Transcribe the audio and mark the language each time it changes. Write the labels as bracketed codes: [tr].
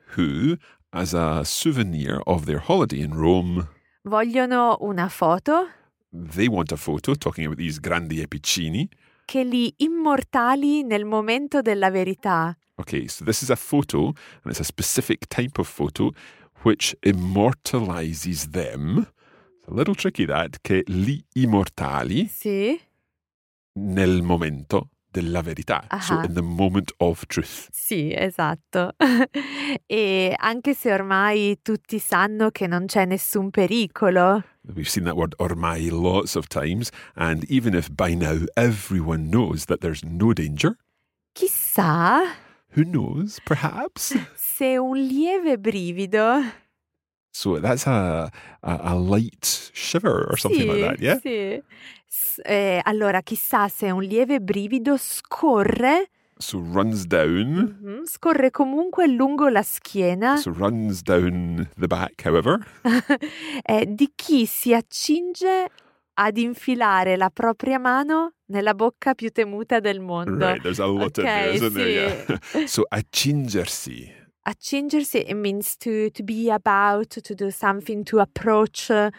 [en] Who, as a souvenir of their holiday in Rome. [it] Vogliono una foto. [en] They want a photo, talking about these [it] grandi e piccini. Che li immortali nel momento della verità. [en] Okay, so this is a photo, and it's a specific type of photo, which immortalizes them. It's a little tricky that, [it] che li immortali sì. nel momento della verità, uh-huh. [en] so in the moment of truth. [it] Sì, esatto. E anche se ormai tutti sanno che non c'è nessun pericolo. [en] We've seen that word ormai lots of times, and even if by now everyone knows that there's no danger. [it] Chissà. [en] Who knows, perhaps? [it] Se un lieve brivido. [en] So that's a light shiver or something [it] sì, [en] like that, yeah? [it] Sì. Allora, chissà se un lieve brivido scorre. [en] So runs down. Mm-hmm. [it] Scorre comunque lungo la schiena. [en] So runs down the back, however. [it] di chi si accinge ad infilare la propria mano nella bocca più temuta del mondo. [en] Right, there's a lot okay, of this, isn't [it] sì. [en] there? Yeah. So, accingersi. Accingersi, it means to be about, to do something, to approach.